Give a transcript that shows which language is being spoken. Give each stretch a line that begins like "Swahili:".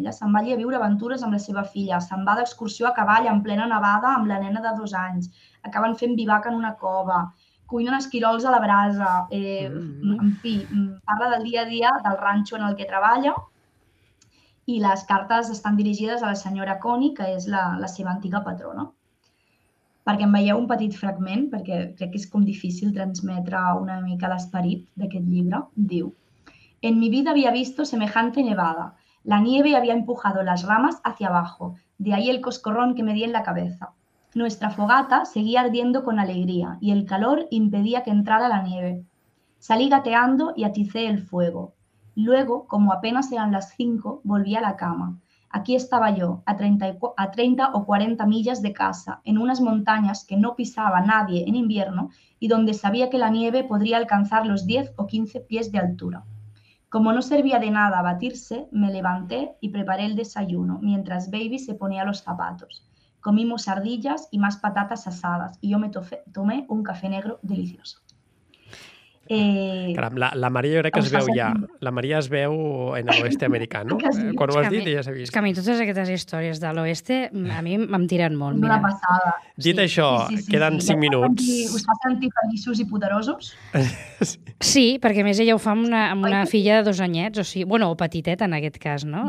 Catalan: Ella se'n va a viure aventures amb la seva filla, se'n va d'excursió a cavall en plena nevada amb la nena de 2 anys, acaben fent bivac en una cova, cuinen esquirols a la brasa, en fi, parla del dia a dia del ranxo en el que treballa i les cartes estan dirigides a la senyora Connie, que és la seva antiga patrona. Perquè en veieu un petit fragment, perquè crec que és com difícil transmetre una mica l'esperit d'aquest llibre, diu:
Spanish: en mi vida había visto semejante nevada. La nieve había empujado las ramas hacia abajo, de ahí el coscorrón que me di en la cabeza. Nuestra fogata seguía ardiendo con alegría y el calor impedía que entrara la nieve. Salí gateando y aticé el fuego. Luego, como apenas eran las 5, volví a la cama. Aquí estaba yo, a 30 o 40 millas de casa, en unas montañas que no pisaba nadie en invierno y donde sabía que la nieve podría alcanzar los 10 o 15 pies de altura. Como no servía de nada batirse, me levanté y preparé el desayuno mientras Baby se ponía los zapatos. Comimos ardillas y más patatas asadas y yo me tomé un café negro delicioso.
Catalan: Caram, la Maria jo crec que es veu ja. La Maria es veu en l'oest americà, no? Quan ho has dit, ja s'ha vist. És que a mi totes aquestes històries de l'oest a mi em tiren molt. Una passada. Dit això, queden 5 minuts. Us fa sentir feliços i poderosos? Sí, perquè a més ella ho fa amb una filla de 2 anyets, o sigui, bueno, o petitet en aquest cas, no?